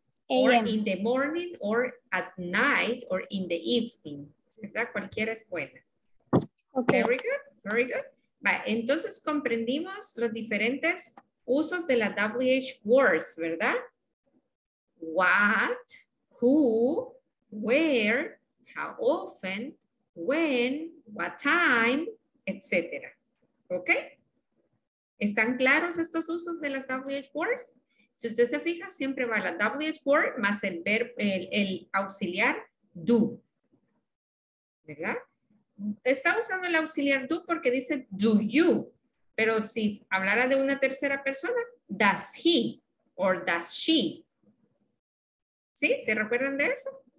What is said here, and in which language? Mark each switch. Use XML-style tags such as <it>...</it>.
<en>Or in the morning, or at night, or in the evening.</en> <es>¿Verdad? Cualquiera es buena.</es> <en>Okay. Very good, very good.</en> <es>Vale. Entonces comprendimos los diferentes usos de la WH words, ¿verdad?</es> <en>What, who, where, how often, when, what time, etc.</en> <es>¿Ok? ¿Están claros estos usos de las WH words? Si usted se fija, siempre va la WH word más el verbo, el auxiliar do. ¿Verdad? Está usando el auxiliar do porque dice do you. Pero si hablara de una tercera persona,</es> <en>does he or does she.</en> <es>¿Sí? ¿Se recuerdan de eso?</es>